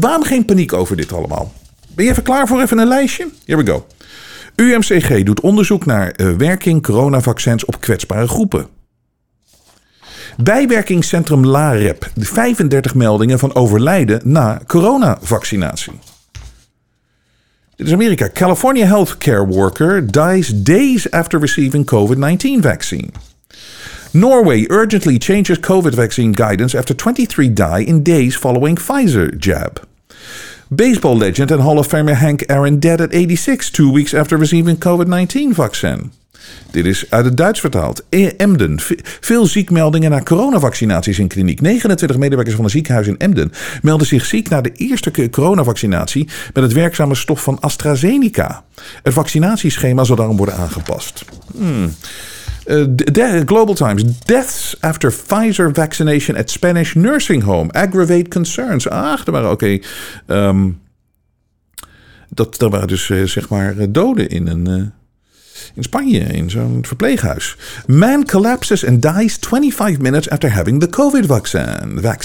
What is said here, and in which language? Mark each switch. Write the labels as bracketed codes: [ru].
[nl] Waarom geen paniek over dit allemaal? Ben je even klaar voor even een lijstje? [en] Here we go. [nl] UMCG doet onderzoek naar werking coronavaccins op kwetsbare groepen. Bijwerkingscentrum LAREP. 35 meldingen van overlijden na coronavaccinatie. Dit is Amerika. [en] California healthcare worker dies days after receiving COVID-19 vaccine. Norway urgently changes COVID vaccine guidance after 23 die in days following Pfizer jab. Baseball legend and Hall of Famer Hank Aaron dead at 86, 2 weeks after receiving COVID-19 vaccine. [nl] Dit is uit het Duits vertaald. Emden. Veel ziekmeldingen na coronavaccinaties in kliniek. 29 medewerkers van een ziekenhuis in Emden melden zich ziek na de eerste coronavaccinatie met het werkzame stof van AstraZeneca. Het vaccinatieschema zal daarom worden aangepast. [en] Global Times. Deaths after Pfizer vaccination at Spanish nursing home aggravate concerns. [nl] Ach, er waren oké. Er waren dus zeg maar doden in Spanje, in zo'n verpleeghuis. [en] Man collapses and dies 25 minutes after having the COVID vaccine.